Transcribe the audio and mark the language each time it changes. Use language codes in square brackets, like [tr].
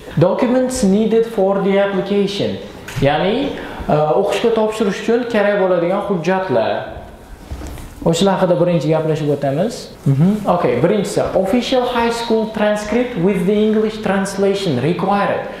[en] Documents needed for the application. [uz] Ya'ni o'qishga topshirish uchun kerak bo'ladigan hujjatlar. O'shlar haqida birinchi gaplashib o'tamiz. [en] Okay, [uz] birinchisi [en] official high school transcript with the English translation required.